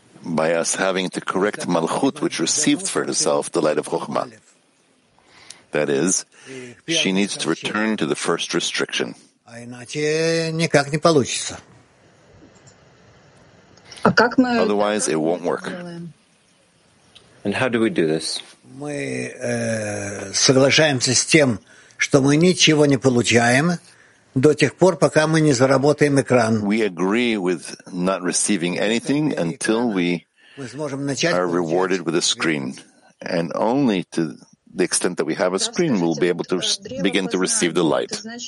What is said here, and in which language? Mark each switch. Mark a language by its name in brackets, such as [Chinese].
[English] By us having to correct Malchut, which received for herself the light of Chochma. That is, she needs to return to the first restriction. [Russian] А иначе никак не получится. А как мы? [English] Otherwise, it won't work. And how do we do this? [Russian] Мы соглашаемся с тем, что мы ничего не получаем до тех пор, пока мы не заработаем экран. [English] We agree with not receiving anything until we are rewarded with a screen. And only to the extent that we have a screen, we'll be able to begin to receive the light.